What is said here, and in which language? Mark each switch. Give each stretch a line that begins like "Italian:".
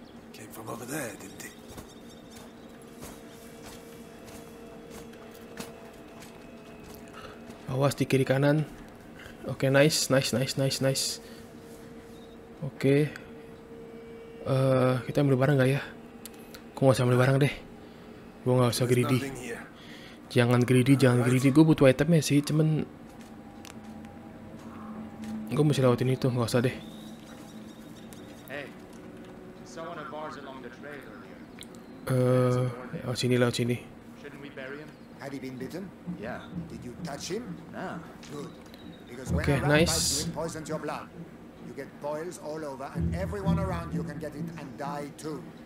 English: Came from over there, didn't it?
Indonesian: Awas di kiri kanan. Oke, okay, nice, nice, nice, nice, nice. Oke. Okay. Kita ambil barang enggak ya? Gua enggak usah ambil barang deh. Gua enggak usah greedy. Jangan greedy, jangan greedy. Gua butuh itemnya sih, cuman gua mesti lewatin itu, enggak usah deh. Hey.
English: Someone at bars along the trail
Indonesian: earlier. Oh, sini lewat sini.
English: Had he been bitten? Yeah. Did you touch him? No. Good. Because when a rampage poisons your blood, you get boils all over and everyone around you can get it and die too.